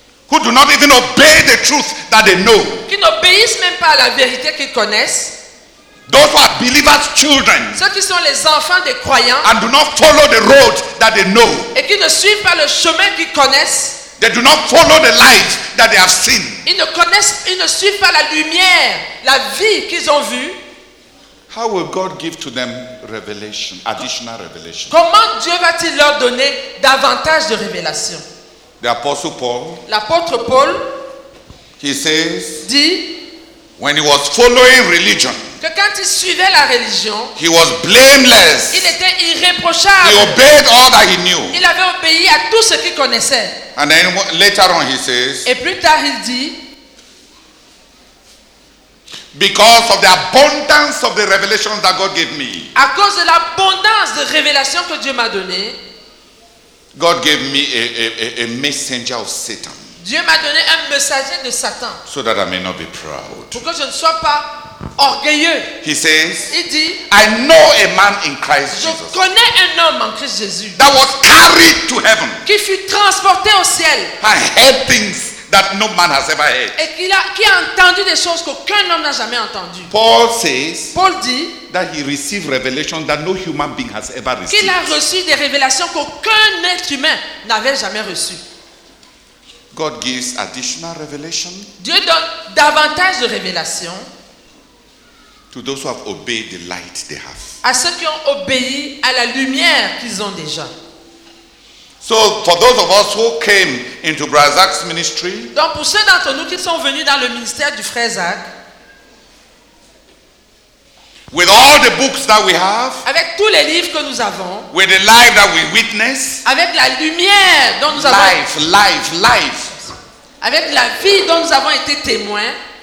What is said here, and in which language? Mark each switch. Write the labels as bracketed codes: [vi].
[en] Who do not even obey the truth that they know. [fr] Qui n'obéissent même pas à la vérité qu'ils connaissent. [en] Those who are believers' children. [fr] Ceux qui sont les enfants des croyants. [en] And do not follow the road that they know. [fr] Et qui ne suivent pas le chemin qu'ils connaissent. [en] They do not follow the light that they have seen. [fr] Ils ne suivent pas la lumière, la vie qu'ils ont vue. [en] How will God give to them revelation, additional revelation? [fr] Comment Dieu va-t-il leur donner davantage de révélation? [en] The apostle Paul. [fr] L'apôtre Paul. [en] He says. [fr] Dit. [en] When he was following religion. [fr] Que quand il suivait la religion. [en] He was blameless. [fr] Il était irréprochable. [en] He obeyed all that he knew. [fr] Il avait obéi à tout ce qu'il connaissait. [en] And then later on he says. [fr] Et plus tard il dit. [en] Because of the abundance of the revelations that God gave me. [fr] À cause de l'abondance de révélations que Dieu m'a donné. [en] God gave me a messenger of Satan. [fr] Dieu m'a donné un messager de Satan. [en] So that I may not be proud. [fr] Pour que je ne sois pas orgueilleux. [en] He says. [fr] Il dit. [en] I know a man in Christ [fr] je [en] Jesus. [fr] Je connais un homme en Christ Jésus. [en] That was carried to heaven. [fr] Qui fut transporté au ciel. [en] And heard things that no man has ever heard. [fr] Et qui a entendu des choses qu'aucun homme n'a jamais entendues. [en] Paul says. [fr] Paul dit. [en] That he received revelations that no human being has ever received. [fr] Qu'il a reçu des révélations qu'aucun être humain n'avait jamais reçues. [en] God gives additional revelation. [fr] Dieu donne davantage de révélations. [en] To those who have obeyed the light they have. [fr] À ceux qui ont obéi à la lumière qu'ils ont déjà. [en] So for those of us who came into Brother Zach's ministry. [fr] Donc pour ceux d'entre nous qui sont venus dans le ministère du frère Zach. [en] With all the books that we have. [fr] Avec tous les livres que nous avons. [en] With the life that we witness. [fr] Avec la lumière dont nous avons. [en] Life. [fr] Avec la vie dont nous avons été témoins.